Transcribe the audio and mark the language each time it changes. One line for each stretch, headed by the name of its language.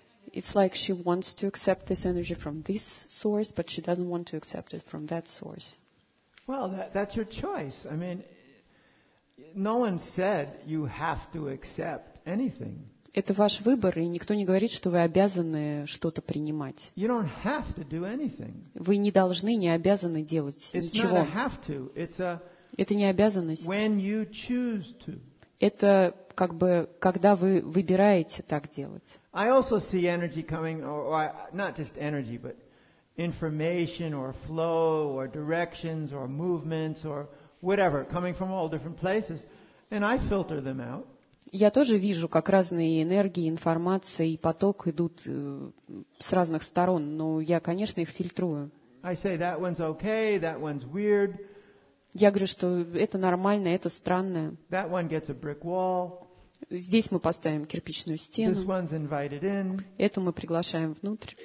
English: It's like she wants to accept this energy from this source, but she doesn't want to accept it from that source. Well, that's your choice. I mean, no one said you have to accept anything.
Russian: Это ваш выбор, и никто не говорит, что вы обязаны что-то принимать.
English: You don't have to do anything.
Russian: Вы не должны, не обязаны делать
English: it's
Russian: ничего.
English: Not a have to, it's a
Russian: это не обязанность.
English: When you choose to.
Russian: Это как бы, когда вы выбираете так делать.
English: I also see energy coming, or not just energy, but information or flow or directions or movements or whatever, coming from all different places, and I filter them out.
Russian: Я тоже вижу, как разные энергии, информация и поток идут с разных сторон, но я, конечно, их фильтрую.
English: I say that one's okay, that one's weird.
Russian: Я говорю, что это нормально, это странное.
English: That one gets a brick wall.
Russian: Здесь мы поставим кирпичную стену.
English: This one's invited in.
Russian: Эту мы приглашаем внутрь.